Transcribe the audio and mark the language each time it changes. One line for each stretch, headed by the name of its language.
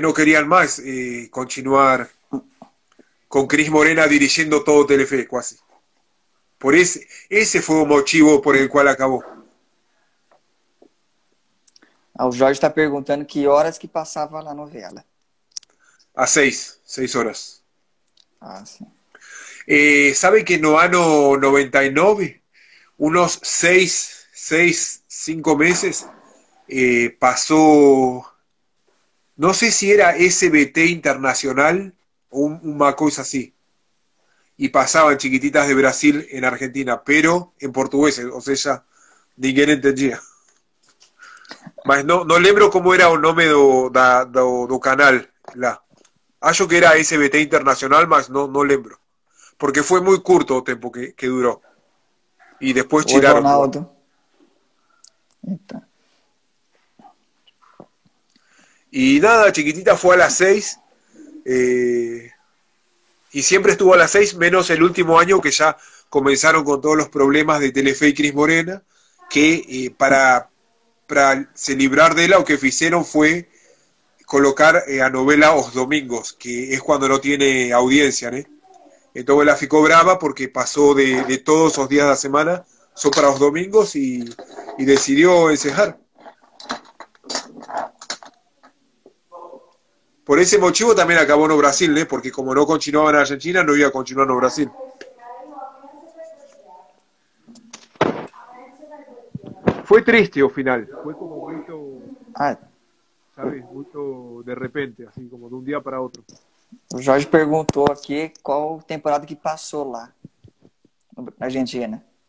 Spanish: No querían más continuar con Cris Morena dirigiendo todo Telefe, casi. Ese fue el motivo por el cual acabó.
Portuguese: O Jorge está perguntando que horas que passava lá a novela. A 6 horas. Ah, sim.
Spanish: ¿Sabe que en el año 99, unos 5 meses, pasó, no sé si era SBT Internacional o una cosa así, y pasaban chiquititas de Brasil en Argentina, pero en portugués, o sea, ninguém entendía.
Portuguese: Mas no lembro
Spanish: cómo era el nombre do canal.
Portuguese: Acho que era SBT Internacional, mas no lembro.
Spanish: Porque fue muy corto el tiempo que duró. Y después
Portuguese: Oi,
Spanish: tiraron
Portuguese: do ar. Ronaldo. Então.
Spanish: Y nada, chiquitita fue a las 6. Y siempre estuvo a las 6, menos el último año que ya comenzaron con todos los problemas de Telefe y Cris Morena. Que
Portuguese: para se librar
Spanish: de ella, lo que hicieron fue colocar a novela los domingos, que es cuando no tiene audiencia, ¿eh? Entonces la ficó brava porque pasó de todos los días de la semana, solo para los domingos, y decidió encerrar. Por ese motivo también acabó en Brasil, ¿eh? Porque como no continuaba en Argentina, no iba a continuar en Brasil. Fue triste al final, fue como mucho, Ah. ¿sabes? Mucho de repente, así como de un día para otro.
Portuguese: O Jorge perguntou aqui qual temporada que passou lá na Argentina.